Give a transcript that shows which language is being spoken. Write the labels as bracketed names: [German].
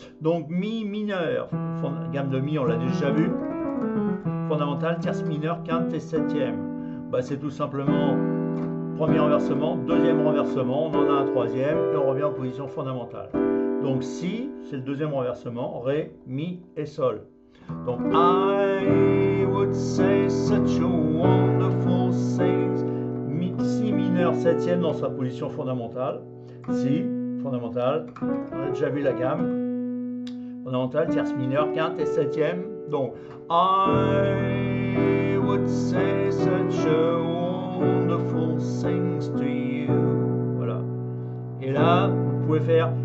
[French] Donc mi mineur, gamme de mi, on l'a déjà vu. Fondamentale, tierce mineure, quinte et septième. Bah, c'est tout simplement. Premier renversement, deuxième renversement, on en a un troisième et on revient en position fondamentale. Donc si, c'est le deuxième renversement, ré, mi et sol. Donc [English] I would say such a wonderful thing. [French] Si mineur septième dans sa position fondamentale. Si, fondamentale, on a déjà vu la gamme. Fondamentale, tierce mineure, quinte et septième. Donc [English] I would say such a wonderful things to you. [French] Voilà. Et là, vous pouvez faire